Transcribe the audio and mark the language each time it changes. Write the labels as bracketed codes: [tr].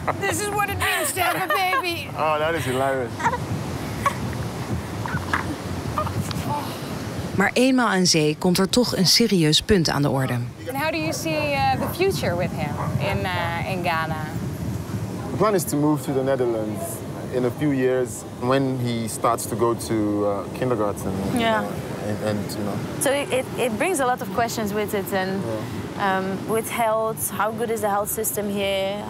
[en] This is what it means to have a baby. Oh, that is hilarious. [nl] Maar eenmaal aan zee komt er toch een serieus punt aan de orde. [en] And how do you see the future with him in Ghana? The plan is to move to the Netherlands in a few years when he starts to go to kindergarten. Yeah. And, So it brings a lot of questions with it, and with health, how good is the health system here?